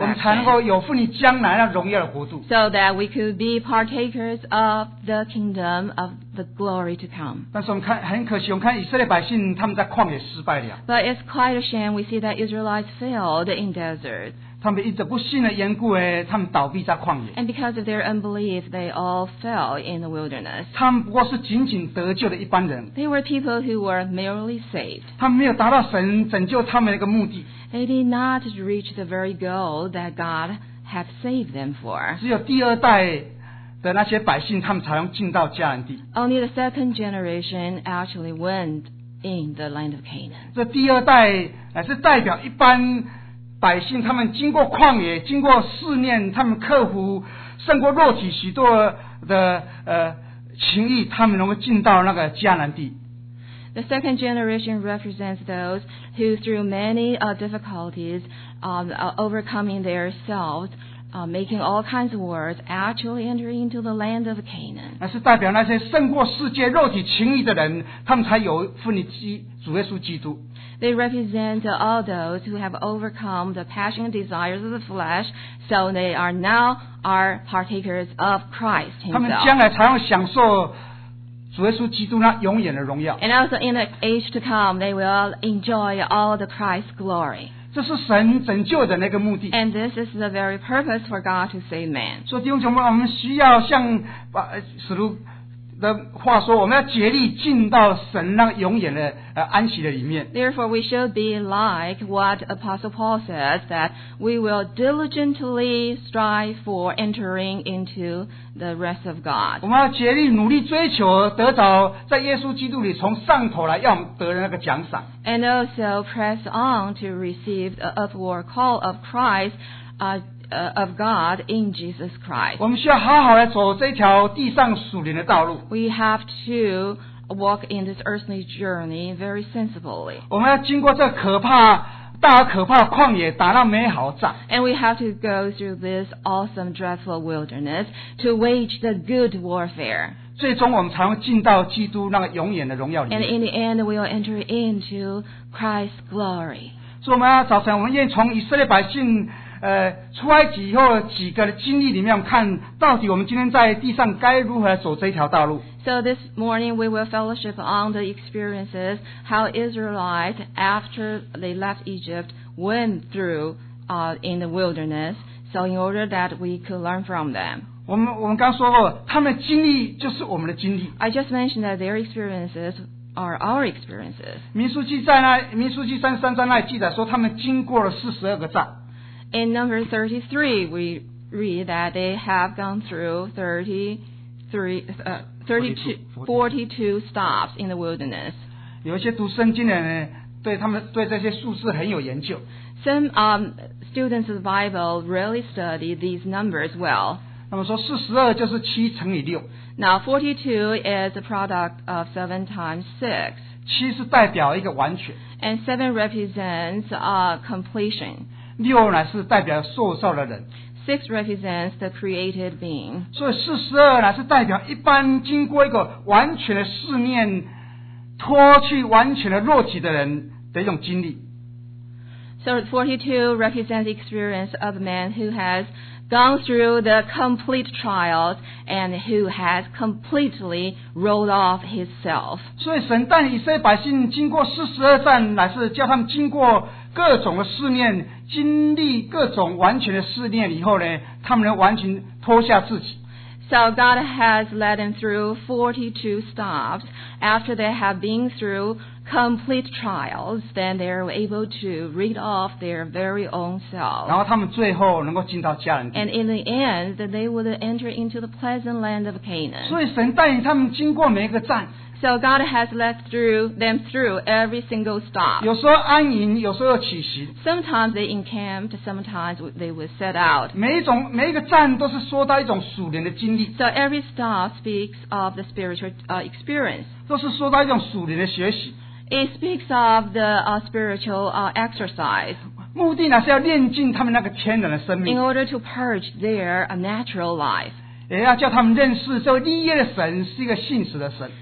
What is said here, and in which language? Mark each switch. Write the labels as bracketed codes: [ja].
[zh] 我们才能够有份于将来那荣耀的国度。 [en] So that we could be partakers of the kingdom of the glory to come. [zh] 但是我们看很可惜，我们看以色列百姓他们在旷野失败了。 [en] But it's quite a shame we see that Israelites failed in desert. [zh] 他们因着不信的缘故，他们倒闭在旷野。 [en] And because of their unbelief, they all fell in the wilderness. [zh] 他们不过是仅仅得救的一般人。 [en] They were people who were merely saved. [zh] 他们没有达到神拯救他们的一个目的。 [en] They did not reach the very goal that God had saved them for. [zh] 只有第二代的那些百姓，他们才能进到迦南地。 [en] Only the second generation actually went in the land of Canaan. [zh] 这第二代乃是代表一般百姓，他们经过旷野，经过试炼，他们克服胜过肉体许多的情欲，他们能够进到那个迦南地。 [en] The second generation represents those who through many difficulties overcoming their selves, making all kinds of wars, actually entering into the land of Canaan. [zh] 那是代表那些胜过世界肉体情欲的人，他们才有份于主耶稣基督。 [en] They represent all those who have overcome the passion and desires of the flesh, so they are now our partakers of Christ himself. [zh] 他们将来才能享受主耶稣基督那永远的荣耀。 [en] And also in the age to come, they will enjoy all the Christ's glory. [zh] 这是神拯救的那个目的。 [en] And this is the very purpose for God to save man. [zh] 所以弟兄姊妹，我们需要像使徒的话说，我们要竭力进到神那永远的安息的里面。 [en] Therefore, we should be like what Apostle Paul says, that we will diligently strive for entering into the rest of God. [zh] 我们要竭力努力追求得着在耶稣基督里从上头来要得的那个奖赏。 [en] And also press on to receive the upward call of Christ, of God in Jesus Christ. [zh] 我们需要好好来走这条地上属灵的道路。 [en] We have to walk in this earthly journey very sensibly. [zh] 我们要经过这可怕大可怕的旷野打那美好的仗。 [en] And we have to go through this awesome, dreadful wilderness to wage the good warfare. [zh] 最终我们才会进到基督那个永远的荣耀里面。 [en] And in the end, we will enter into Christ's glory. [zh] 所以我们要早晨，我们愿意从以色列百姓出埃及以后几个的经历里面，看到底我们今天在地上该如何走这条道路。 [en] So this morning we will fellowship on the experiences how Israelites after they left Egypt went through in the wilderness. So in order that we could learn from them. [zh] 我们刚说过，他们的经历就是我们的经历。 [en] I just mentioned that their experiences are our experiences. [zh] 民数记三十三章那里记载说，他们经过了四十二个站。 [en] In number 33, we read that they have gone through 42 stops in the wilderness. [zh] 有一些读圣经的人对他们对这些数字很有研究。 [en] Some students of the Bible really study these numbers well. [zh] 他们说42就是7乘以6。 [en] Now 42 is a product of 7 times 6. [zh] 7是代表一个完全。 [en] And 7 represents completion. [zh] 六呢是代表受造的人。 [en] Six represents the created being. [zh] 所以四十二呢是代表一般经过一个完全的试炼，脱去完全的肉体的人的一种经历。 [en] So 42 represents the experience of a man who has gone through the complete trials and who has completely rolled off himself. [zh] 所以神带以色列百姓经过四十二站，乃是叫他们经过各种的试炼。经历各种完全的试炼以后呢，他们能完全脱下自己。 [en] So God has led them through 42 stops. After they have been through complete trials, then they are able to rid off their very own self. [zh] 然后他们最后能够进到迦南地。 [en] And in the end, they would enter into the pleasant land of Canaan. [zh] 所以神带领他们经过每一个站。 [en] So God has led them through every single stop. [zh] 有时候安营，有时候起行。 [en] Sometimes they encamped, sometimes they would set out. [zh] 每一个站都是说到一种属灵的经历。 [en] So every stop speaks of the spiritual experience. [zh] 都是说到一种属灵的学习。 [en] It speaks of the spiritual exercise. [zh] 目的呢是要炼尽他们那个天然的生命。 [en] In order to purge their natural life. [zh] 也要叫他们认识这立业的神是一个信实的神。